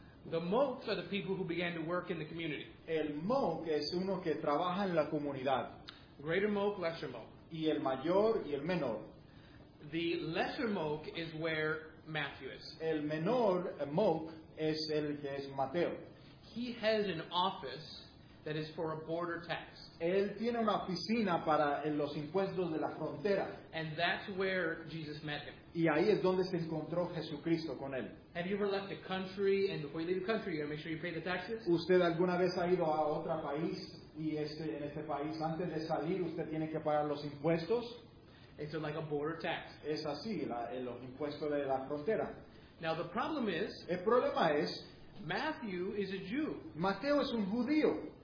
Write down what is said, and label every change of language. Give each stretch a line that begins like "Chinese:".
English: The mokes are the people who began to work in the community.
Spanish: El moke es uno que trabaja en la comunidad.
English: Greater moke, lesser moke.
Spanish: Y el mayor y el menor.
English: The lesser moke is where Matthew is.
Spanish: El menor moke es el que es Mateo.
English: He has an office that is for a border tax.
Spanish: Él tiene una oficina para los impuestos de la frontera.
English: And that's where Jesus met him.
Spanish: Y ahí es donde se encontró Jesucristo con él.
English: Have you ever left a country and before you leave the country you got to make sure you pay the taxes?
Spanish: ¿Usted alguna vez ha ido a otro país y en este país antes de salir usted tiene que pagar los impuestos?
English: It's like a border tax.
Spanish: Es así, los impuestos de la frontera.
English: Now the problem is,
Spanish: el problema es,
English: Matthew is a Jew.
Spanish: Mateo es un judío.